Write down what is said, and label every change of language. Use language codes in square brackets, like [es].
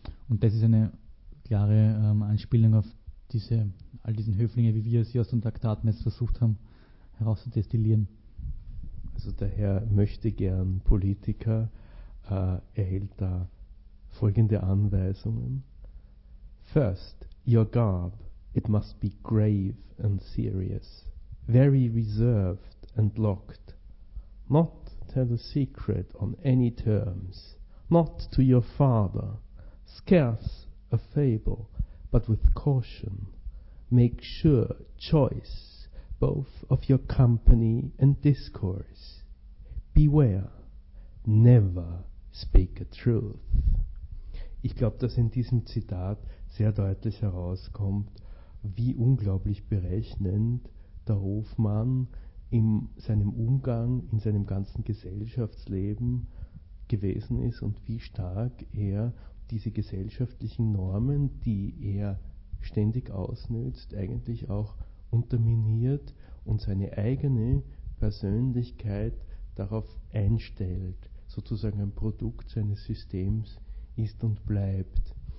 [de] Und das ist eine klare Anspielung auf all diesen Höflinge, wie wir sie aus den Traktaten jetzt versucht haben, herauszudestillieren. Also der Herr möchte gern Politiker, erhält da folgende Anweisungen. [en] First, your garb, it must be grave and serious, very reserved and locked, not tell a secret on any terms, not to your father, scarce a fable, but with caution, make sure choice both of your company and discourse, beware, never speak a truth. [de] Ich glaube, dass in diesem Zitat sehr deutlich herauskommt, wie unglaublich berechnend der Hofmann in seinem Umgang, in seinem ganzen Gesellschaftsleben gewesen ist und wie stark er diese gesellschaftlichen Normen, die er ständig ausnützt, eigentlich auch unterminiert und seine eigene Persönlichkeit darauf einstellt, sozusagen ein Produkt seines Systems ist und bleibt.